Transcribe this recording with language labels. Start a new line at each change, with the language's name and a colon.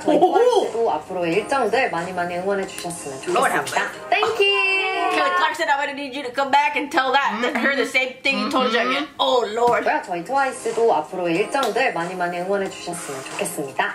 Korean: 저희 또 앞으로의 일정들 많이 많이 응원해 주셨으면 좋겠습니다.
English: Thank you. Kelly Clark said, I'm going to need you to come back and tell that. Mm-hmm. Her the same thing you told Jeongyeon. Mm-hmm. Oh, Lord.
Korean: 저희 트와이스도 앞으로의 일정들 많이 많이 응원해 주셨으면 좋겠습니다.